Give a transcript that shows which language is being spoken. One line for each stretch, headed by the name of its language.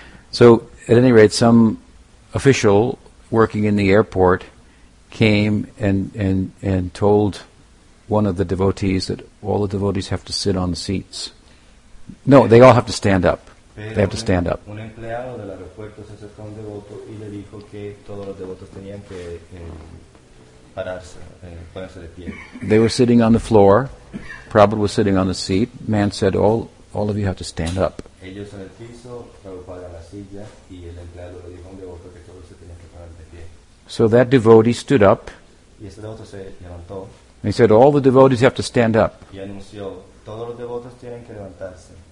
English: So, at any rate, some official working in the airport came and told one of the devotees that all the devotees have to sit on the seats. No, they all have to stand up. They have to stand up.
Spanish: Un empleado del aeropuerto se acercó a un devoto y le dijo que todos los devotos tenían que pararse de pie.
English: They were sitting on the floor. Prabhupada was sitting on the seat. Man said, all of you have to stand up.
Spanish: Ellos en el piso, Prabhupada en la silla, y el empleado le dijo a un devoto que todos se tenían que parar de pie.
English: So that devotee stood up.
Spanish: Y ese devoto se levantó.
English: And he said, all the devotees have to stand up.
Spanish: Y anunció, todos los devotos tienen que levantarse.